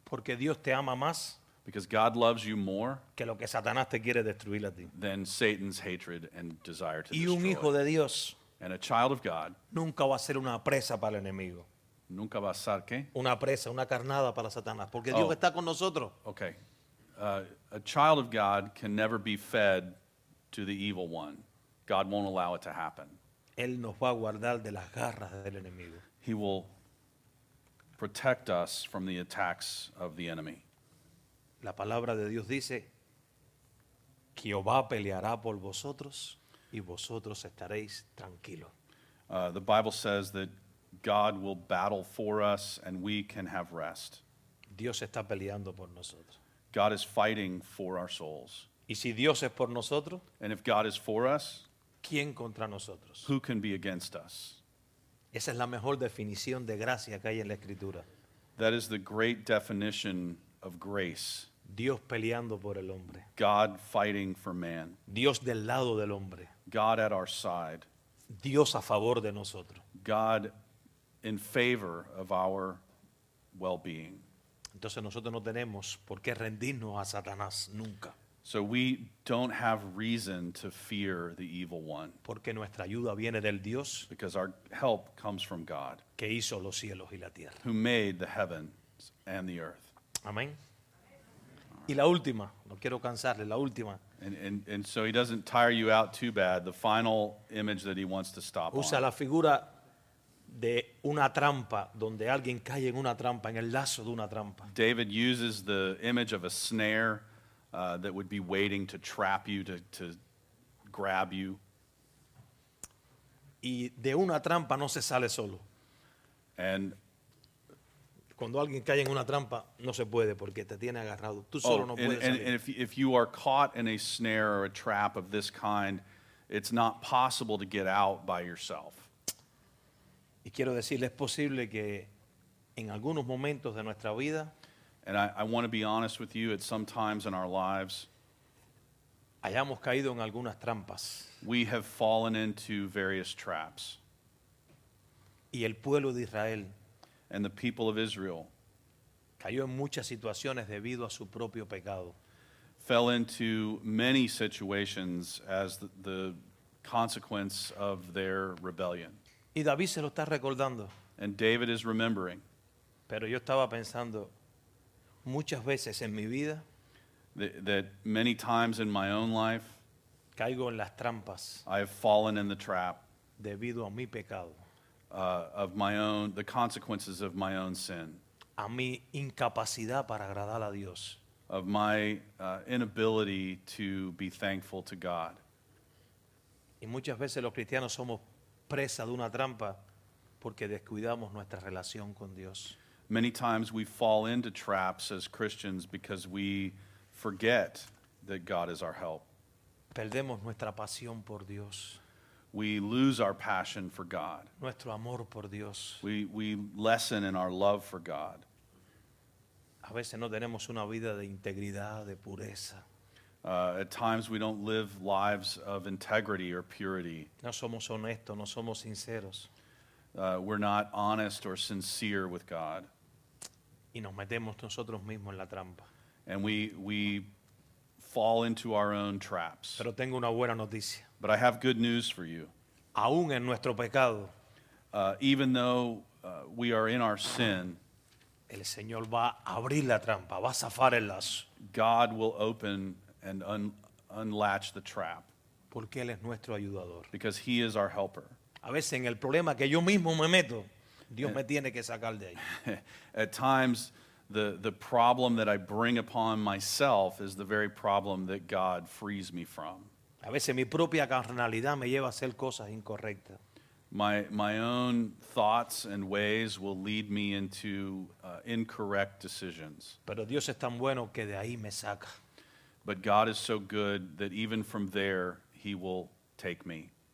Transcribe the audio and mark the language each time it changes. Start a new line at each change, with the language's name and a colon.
Spanish: Porque Dios te ama más.
English: Because God loves you more.
Spanish: Que lo que Satanás te quiere destruir a ti.
English: Than Satan's hatred and desire to
Spanish: y un
English: destroy.
Spanish: Hijo de Dios.
English: And a child of God.
Spanish: Nunca va a ser una presa para el enemigo. Nunca va a ser qué? Una presa, una carnada para Satanás. Porque Dios está con nosotros.
English: Okay. A child of God can never be fed to the evil one. God won't allow it to happen.
Spanish: Él nos va a guardar de las garras del enemigo.
English: He will protect us from the attacks of the enemy.
Spanish: La palabra de Dios dice que Jehová peleará por vosotros y vosotros estaréis tranquilos.
English: The Bible says that God will battle for us and we can have rest.
Spanish: Dios está peleando por nosotros.
English: God is fighting for our souls.
Spanish: Y si Dios es por nosotros,
English: and if God is for us,
Spanish: ¿quién contra nosotros?
English: Who can be against us?
Spanish: Esa es la mejor definición de gracia que hay en la Escritura.
English: That is the great definition of grace.
Spanish: Dios peleando por el hombre.
English: God fighting for man.
Spanish: Dios del lado del hombre.
English: God at our side.
Spanish: Dios a favor de nosotros.
English: God in favor of our well-being.
Spanish: Entonces nosotros no tenemos por qué rendirnos a Satanás nunca.
English: So we don't have reason to fear the evil one.
Spanish: Porque nuestra ayuda viene del Dios.
English: Because our help comes from God.
Spanish: Que hizo los cielos y la tierra.
English: Who made the heavens and the earth.
Spanish: Amén. Right. Y la última, no quiero cansarle, la última.
English: And so he doesn't tire you out too bad. The final image that he wants to stop
Spanish: usa
English: on.
Spanish: Usa la figura de una trampa, donde alguien cae en una trampa, en el lazo de una trampa.
English: David uses the image of a snare. That would be waiting to trap you, to grab you.
Spanish: Y de una trampa no se sale solo.
English: And
Spanish: cuando alguien cae en una trampa no se puede porque te tiene agarrado. Tú solo no puedes salir.
English: And if you are caught in a snare or a trap of this kind, it's not possible to get out by yourself.
Spanish: Y quiero decirle, es posible que en algunos momentos de nuestra vida.
English: And I want to be honest with you, at some times in our lives,
Spanish: hayamos caído en algunas trampas.
English: We have fallen into various traps.
Spanish: Y el pueblo de Israel,
English: and the people of Israel,
Spanish: cayó en muchas situaciones debido a su propio pecado.
English: Fell into many situations as the consequence of their rebellion.
Spanish: Y David se lo está recordando.
English: And David is remembering.
Spanish: Pero yo estaba pensando, muchas veces en mi vida,
English: that many times in my own life,
Spanish: caigo en las trampas,
English: I have fallen in the trap,
Spanish: debido a mi pecado,
English: of my own, the consequences of my own sin,
Spanish: a mi incapacidad para agradar a Dios,
English: of my inability to be thankful to God.
Spanish: Y muchas veces los cristianos somos presa de una trampa porque descuidamos nuestra relación con Dios.
English: many times we fall into traps as Christians because we forget that God is our help.
Spanish: Perdemos nuestra pasión por Dios.
English: We lose our passion for God.
Spanish: Nuestro amor por Dios.
English: We lessen in our love for God.
Spanish: A veces no tenemos una vida de integridad, de pureza.
English: At times we don't live lives of integrity or purity.
Spanish: No somos honestos, no somos sinceros.
English: We're not honest or sincere with God.
Spanish: Y nos metemos nosotros mismos en la trampa.
English: And we fall into our own traps.
Spanish: Pero tengo una buena noticia.
English: But I have good news for you.
Spanish: Aún en nuestro pecado.
English: Even though we are in our sin.
Spanish: El Señor va a abrir la trampa, va a zafar el lazo.
English: God will open and unlatch the trap.
Spanish: Porque Él es nuestro ayudador.
English: Because He is our helper.
Spanish: A veces en el problema que yo mismo me meto, Dios me tiene que sacar de ahí.
English: At times, the problem that I bring upon myself is the very problem that God frees me from.
Spanish: A veces mi propia carnalidad me lleva a hacer cosas incorrectas.
English: My own thoughts and ways will lead me into incorrect decisions.
Spanish: Pero Dios es tan bueno que de ahí me saca.
English: But God is so good that even from there He will take me.